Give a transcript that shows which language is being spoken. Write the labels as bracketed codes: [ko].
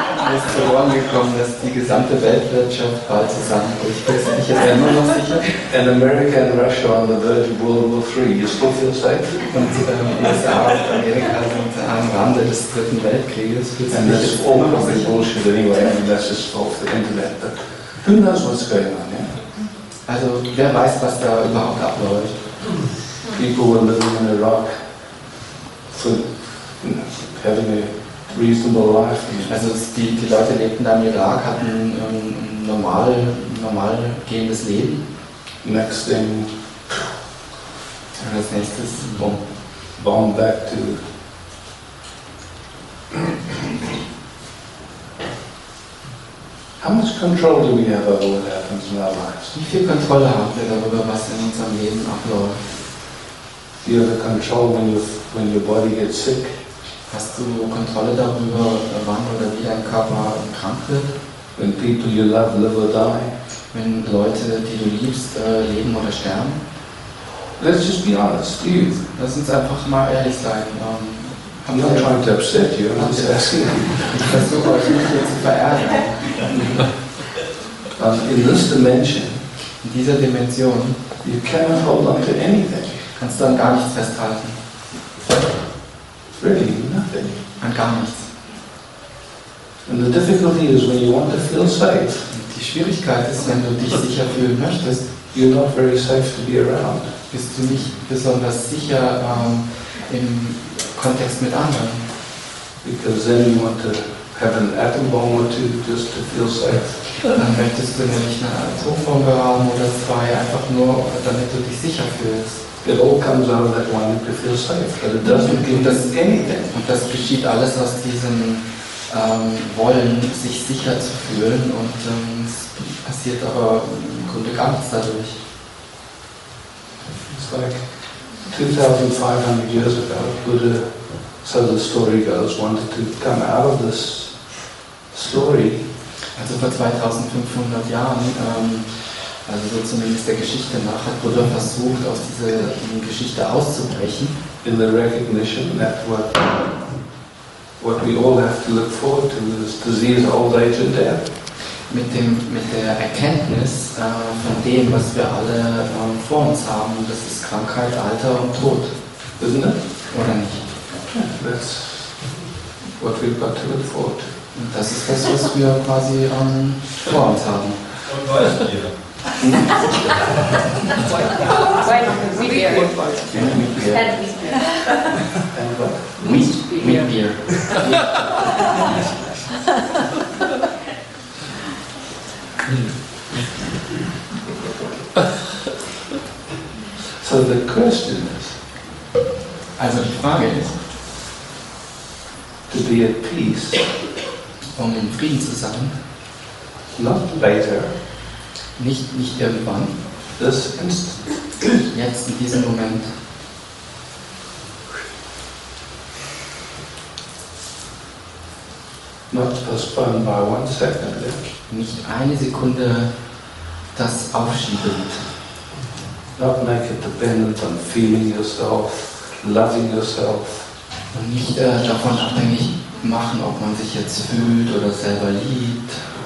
[de] Es ist zu Ohren gekommen, dass die gesamte Weltwirtschaft bald zusammenbricht. Bist du dich jetzt immer noch sicher? [en] And America and Russia on the verge of World War III. You still feel safe? [de] Und USA und Amerika sind am Rande des Dritten Weltkrieges. [en] And this is all probably bullshit anyway. I mean, that's just off the internet. But who knows what's going on, yeah? [de] Also, wer weiß, was da überhaupt abläuft? [en] People were living in Iraq for, you know, having a reasonable life. [de] Also die Leute lebten da im Irak, hatten ein normal gehendes Leben. [en] Next thing. [de] Und als nächstes Bomb. [en] Bomb back to. How much control do we have over what happens in our lives? [de] Wie viel Kontrolle haben wir darüber, was in unserem Leben abläuft? [en] Do you have control when your body gets sick? [de] Hast du Kontrolle darüber, wann oder wie dein Körper krank wird? [en] When people you love live or die? [de] Wenn Leute, die du liebst, leben oder sterben? [en] Let's just be honest. You. [de] Lass uns einfach mal ehrlich sein. [en] I'm not trying to upset you. I'm just asking. [de] Ich versuche euch nicht hier zu verärgern. [en] In this dimension, [de] in dieser Dimension, [en] you cannot hold on to anything. [de] Kannst du an gar nichts festhalten. [en] Really, nothing. [de] An gar nichts. [en] And the difficulty is when you want to feel safe. [de] Und die Schwierigkeit ist, wenn du dich sicher fühlen möchtest. [en] You're not very safe to be around. [de] Bist du nicht besonders sicher im Kontext mit anderen? [en] Because then you want to have an atom bomb or two just to feel safe. [de] Dann möchtest du ja nicht eine Atombombe haben oder zwei, einfach nur, damit du dich sicher fühlst. [en] It all comes out of that one to feel safe, but it doesn't give us anything. [de] Und das geschieht alles aus diesem Wollen, sich sicher zu fühlen, und es passiert aber im Grunde gar nichts dadurch. [en] It's like 2500 years ago, Buddha, so the story goes, wanted to come out of this story. [de] Also vor 2500 Jahren, also so zumindest der Geschichte nach, hat Buddha versucht, aus dieser Geschichte auszubrechen. [en] In the recognition that what we all have to look forward to is disease, old age and death. [de] Mit der Erkenntnis von dem, was wir alle vor uns haben, das ist Krankheit, Alter und Tod. [en] Isn't it? [de] Oder nicht? [en] That's what we've got to look forward to. [de] Und das ist das, was wir quasi vor uns haben. Und Weißbier. Weißbier. Weißbier. [en] So the question is, [de] also die Frage ist, [en] to be at peace, [de] um in Frieden zu sein, [en] not later, [de] nicht irgendwann, [en] this instant, [de] jetzt in diesem Moment, [en] not postponed by 1 second, [de] nicht eine Sekunde das aufschiebend. [en] Not make it dependent on feeling yourself, loving yourself. [de] Und nicht davon abhängig machen, ob man sich jetzt fühlt oder selber liebt.